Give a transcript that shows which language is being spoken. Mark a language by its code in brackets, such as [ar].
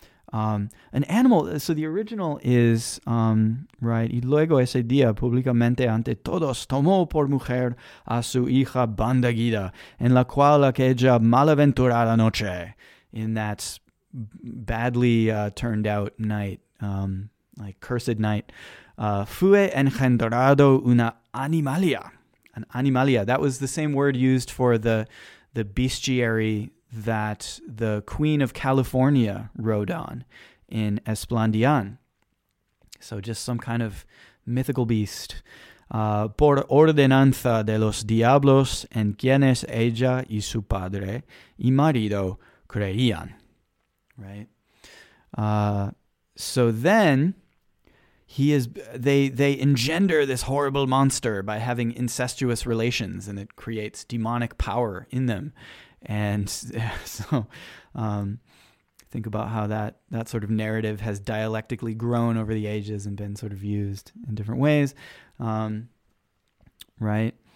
[en] An animal, so the original is, right, [es] y luego ese día públicamente ante todos tomó por mujer a su hija Bandagida, en la cual aquella malaventurada noche, [en] in that badly turned out night, like cursed night, [es] fue engendrado una animalia. An animalia. [en] That was the same word used for the bestiary that the Queen of California rode on in Esplandian. So just some kind of mythical beast. [es] Por ordenanza de los diablos en quienes ella y su padre y marido creían. [en] Right? So then they engender this horrible monster by having incestuous relations, and it creates demonic power in them. And so think about how that sort of narrative has dialectically grown over the ages and been sort of used in different ways, right?